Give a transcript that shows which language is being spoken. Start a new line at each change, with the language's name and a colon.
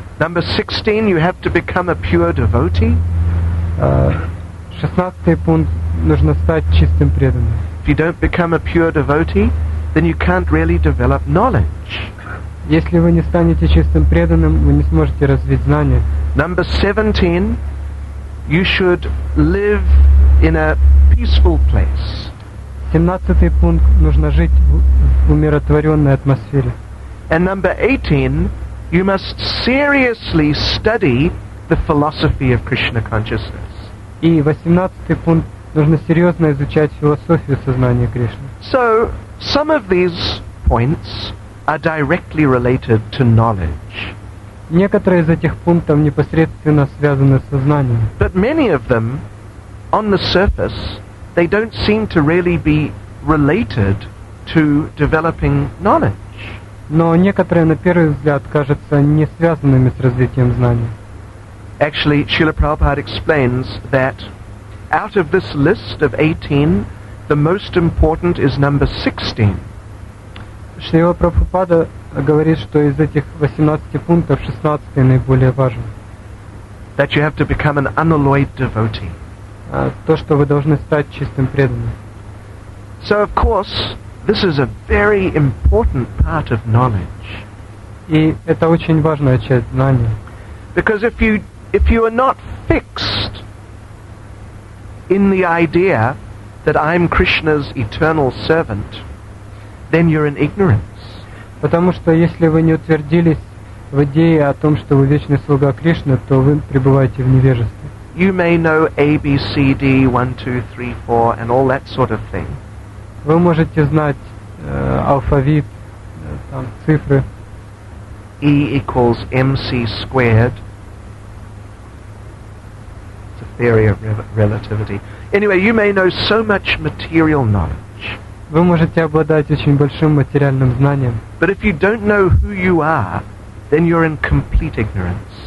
English: Number 16, you have to become a pure devotee.
Russian: 16-й пункт, нужно стать чистым преданным.
English: If you don't become a pure devotee, then you can't really develop knowledge.
Russian: Если вы не станете чистым преданным, вы не сможете развить знания.
English: Number 17, you should live in a peaceful place.
Russian: 17-й пункт, нужно жить в умиротворенной атмосфере.
English: And number 18, you must seriously study the philosophy of Krishna consciousness.
Russian: И 18-й пункт, нужно серьезно изучать философию сознания Кришны.
English: So, some of these points are directly related to knowledge.
Russian: Некоторые из этих пунктов непосредственно связаны с сознанием.
English: But many of them, on the surface, they don't seem to really be related to developing knowledge.
Russian: Но некоторые, на первый взгляд, кажутся не связанными с развитием знания.
English: Actually, Srila Prabhupada explains that out of this list of 18, the most important is number 16.
Russian: Шрила Прабхупада говорит, что из этих 18 пунктов 16 наиболее важен.
English: That you have to become an unalloyed devotee.
Russian: То, что вы должны стать чистым преданным.
English: So, of course, this is a very important part of knowledge.
Russian: И это очень важная часть знания.
English: Because if you are not fixed in the idea that I'm Krishna's eternal servant, then you're in ignorance.
Russian: Потому что если вы не утвердились в идее о том, что вы вечный слуга Кришны, то вы пребываете в невежестве.
English: You may know A, B, C, D, 1, 2, 3, 4, and all that sort of thing.
Russian: Вы можете знать алфавит, там цифры.
English: E equals MC squared. It's a theory of relativity. Anyway, you may know so much material knowledge.
Russian: Вы можете обладать очень большим материальным знанием.
English: But if you don't know who you are, then you're in complete ignorance.